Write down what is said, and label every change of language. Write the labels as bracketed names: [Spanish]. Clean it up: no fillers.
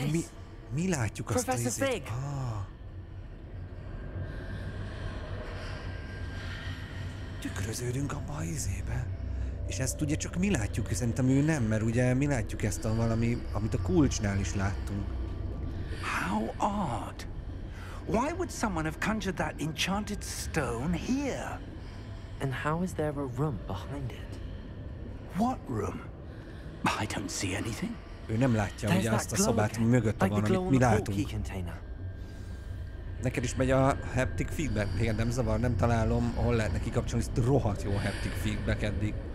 [Hungarian] Hogy mi látjuk azt a izét. Tükröződünk abba a izébe. És ezt ugye csak mi látjuk, szerintem ő nem, mert ugye mi látjuk ezt a valami, amit a kulcsnál is láttunk. [English] How odd! Why would someone have conjured that enchanted stone here? And how is there a room behind it? What room? I don't see anything. [Hungarian] Ő nem látja ugye azt a szobát, ami mögötte van, amit mi látunk. Neked is megy a haptic feedback, téged nem zavar, nem találom, hol lehetne kikapcsolni, ezt rohadt jó haptic feedback eddig.